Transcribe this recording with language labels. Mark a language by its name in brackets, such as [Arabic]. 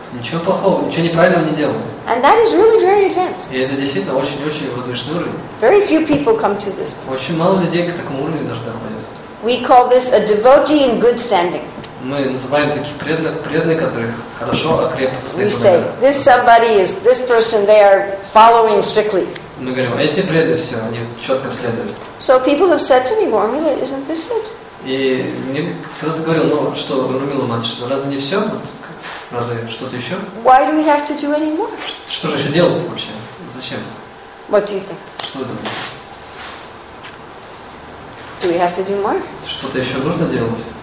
[Russian] Ничего плохого, ничего неправильного не делаю. [English] And that is really very advanced. [Russian] И это действительно очень-очень возвышенный уровень. [English] Very few people come to this point. [Russian] Очень мало людей к такому уровню даже доходят. [English] We call this a devotee in good standing. [Russian] Мы называем таких преданных, которые хорошо окреп. [English] We say this somebody is this person. They are following strictly. [Russian] Мы говорим, эти преданные все, они четко следуют. [English] So people have said to me, Вармила, isn't this it? [Russian] И мне кто-то говорил, ну что, Румила Матч, разве не все? Разве что-то еще? [English] Why do we have to do any more? [Russian] Что же еще делать вообще? Зачем? [English] What do you think? [Russian] Что вы думаете? [English] Do we have to do more? [Russian] Что-то еще нужно делать?